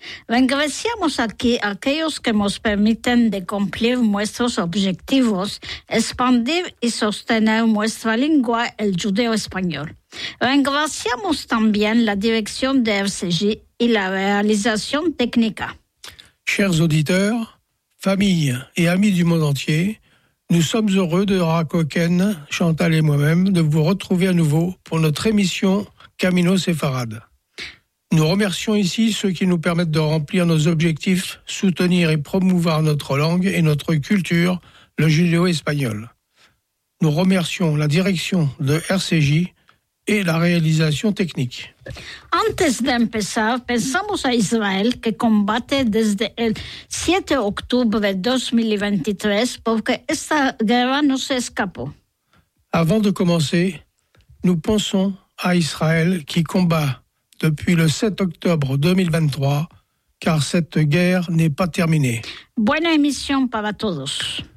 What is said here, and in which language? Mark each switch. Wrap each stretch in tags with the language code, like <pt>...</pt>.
<lad>Regresamos aquí a aquellos que nos permiten de cumplir nuestros objetivos, expandir y sostener nuestra lengua, el judeo-español. Regresamos también la dirección de RCJ y la realización técnica.</lad> <fr>Chers auditeurs, familles et amis du monde entier, nous sommes heureux de Dora Kokian, Chantal et moi-même de vous retrouver à nouveau pour notre émission Camino Sefarad. Nous remercions ici ceux qui nous permettent de remplir nos objectifs, soutenir et promouvoir notre langue et notre culture, le judéo-espagnol. Nous remercions la direction de RCJ et la réalisation technique.</fr> <lad>Antes de empezar, pensamos a Israel que combate desde el 7 octubre 2023 porque esta guerra no se escapó.</lad> <fr>Avant de commencer, nous pensons à Israël qui combat depuis le 7 octobre 2023 car cette guerre n'est pas terminée.</fr> <lad>Buena emisión para todos.</lad>